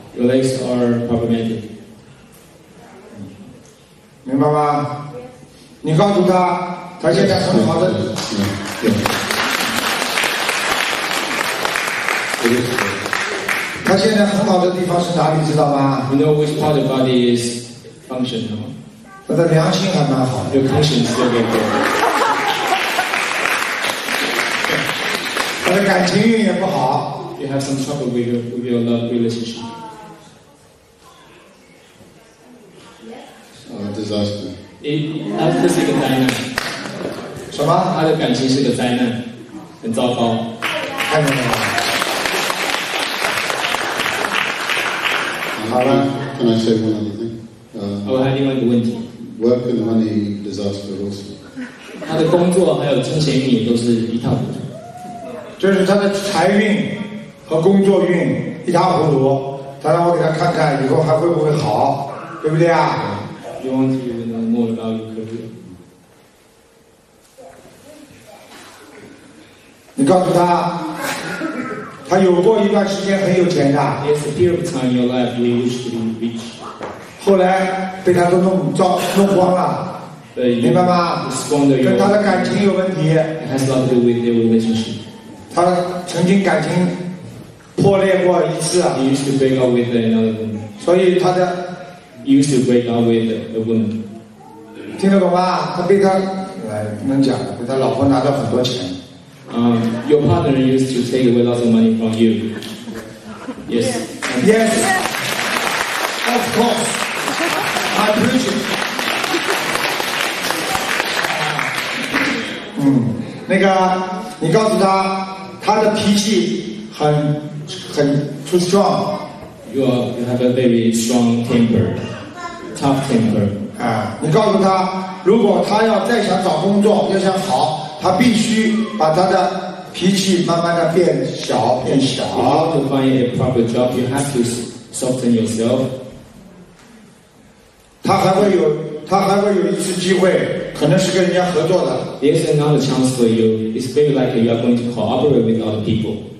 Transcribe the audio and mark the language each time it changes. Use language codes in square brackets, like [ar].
[en] Your legs are problematic。 [zh] 明白吗？你告诉他，他现在很好的。对。他现在很好的地方是哪里知道吗？ [en] You know which part of body is functional? [zh] 他的良心还蛮好的。 [en] Your conscience, okay, okay. [zh] 他的感情运也不好。 [en] you have some trouble with your love relationship. Disaster. That is a [zh] 灾难。什么？他的感情是个灾难，很糟糕。太美了。 [en] How can I say one other thing? I have another question. Work and money disaster also. His work and his money are both a mess. This is his wealth and his work a mess. He wants me to see if it will be better in the future, right? You want to know more about your career? You tell him. [zh] 他有过一段时间很有钱的。 [en] Yes, a period of time in your life you wish to be rich. [zh] 后来被他都弄光了，明白吗？跟他的感情有问题。 [en] It has to do with their relationship. [zh] 他曾经感情破裂过一次。 [en] He used to break up with another woman. [zh] 所以他的 [en] He used to break up with a woman. [zh] 听得懂吗？他被他能讲，被他老婆拿到很多钱。 [en] Your partner used to take away lots of money from you. Yes. Yes. Of course. I appreciate it. [zh] 那个，你告诉他的脾气很 [en] too strong. You have a very strong temper, tough temper. [zh] 你告诉他，如果他要再想找工作，要想好。他必须把他的脾气慢慢的变小，变小。 [en] You have to find a proper job. You have to soften yourself. [zh] 他还会有一次机会，可能是跟人家合作的。 [en] There's another chance for you. It's very likely you are going to cooperate with other people.